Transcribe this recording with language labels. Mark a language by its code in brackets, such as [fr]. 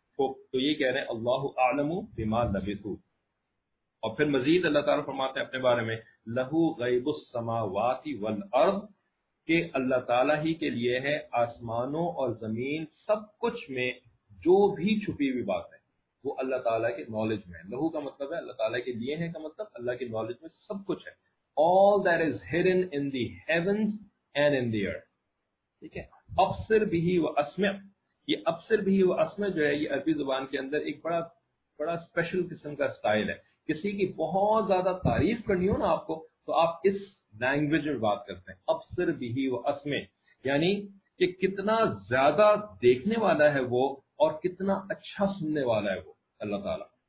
[ur] تو یہ کہہ رہے ہیں [ar] اللہ اعلم بما لبثوا، [ur] اور پھر مزید اللہ تعالیٰ فرماتے ہیں اپنے بارے میں [ar] لہو غیب السماوات والارض، [ur] کہ اللہ تعالیٰ ہی کے لیے ہے آسمانوں اور زمین سب کچھ میں جو بھی چھپی ہوئی بات ہے وہ اللہ تعالیٰ کے نالج میں ہے. لہو کا مطلب ہے اللہ تعالیٰ کے لیے ہے کا مطلب اللہ کے نالج میں سب کچھ ہے. [en] All that is hidden in the heavens and in the earth. [ur] ٹھیک ہے. [ar] ابصر بھی و اسمع، [ur] یہ ابصر بھی و اسمع جو ہے یہ عربی زبان کے اندر ایک بڑا بڑا اسپیشل قسم کا سٹائل ہے. کسی کی بہت زیادہ تعریف کرنی ہو نا آپ کو تو آپ اس لینگویج میں بات کرتے ہیں. [ar] ابصر بھی و اسمع، [ur] یعنی کہ کتنا زیادہ دیکھنے والا ہے وہ اور کتنا اچھا سننے والا ہے وہ اللہ تعالیٰ.